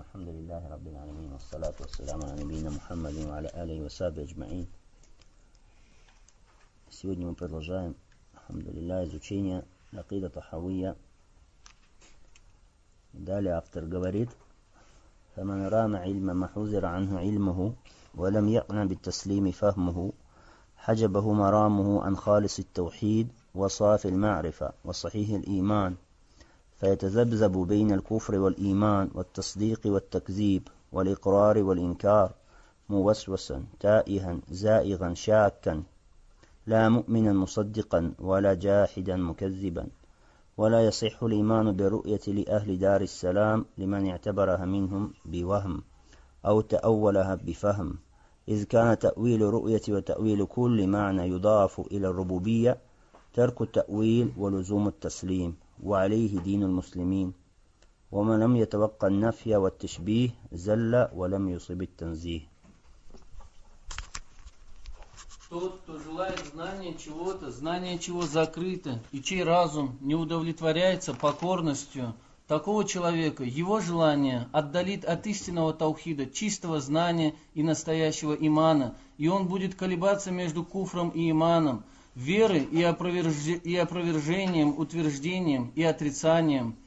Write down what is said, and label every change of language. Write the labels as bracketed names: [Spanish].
[Arabic] الحمد لله رب العالمين، والصلاة والسلام على نبينا محمد وعلى آله وصحبه أجمعين. [Russian] Сегодня мы продолжаем, alhamdulillah, изучение Акида Тахавия. Далее автор говорит: [Arabic] فمن رام علما ما حذر عنه علمه ولم يقنع بالتسليم فهمه حجبه مرامه عن خالص التوحيد وصافي المعرفة وصحيح الإيمان، فيتذبذب بين الكفر والإيمان والتصديق والتكذيب والإقرار والإنكار موسوسا تائها زائغا شاكا لا مؤمنا مصدقا ولا جاحدا مكذبا. ولا يصح الإيمان برؤية لأهل دار السلام لمن اعتبرها منهم بوهم أو تأولها بفهم، إذ كان تأويل رؤية وتأويل كل معنى يضاف إلى الربوبية ترك التأويل ولزوم التسليم، وعليه دين المسلمين. ومن لم يتوقع النفي والتشبيه زل ولم يصب التنزيه. [Russian] Тот, кто желает знания чего-то, знание чего закрыто, и чей разум не удовлетворяется покорностью, такого человека его желание отдалит от истинного таухида, чистого знания и настоящего имана, и он будет колебаться между куфром и иманом, веры и опровержением, утверждением и отрицанием.